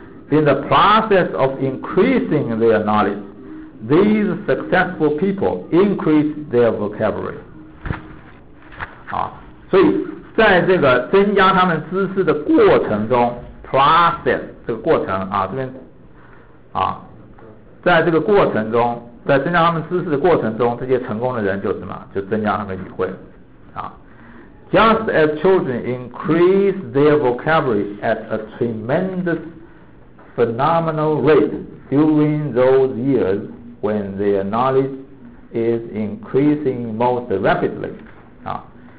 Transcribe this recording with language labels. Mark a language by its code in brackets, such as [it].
[en] In the process of increasing their knowledge， these successful people increase their vocabulary。 [zh] 啊，所以。在这个增加他们知识的过程中 ，process 这个过程啊，这边啊，在这个过程中，在增加他们知识的过程中，这些成功的人就什么，就增加他们语汇啊。 [en] Just as children increase their vocabulary at a tremendous, phenomenal rate during those years when their knowledge is increasing most rapidly， 啊。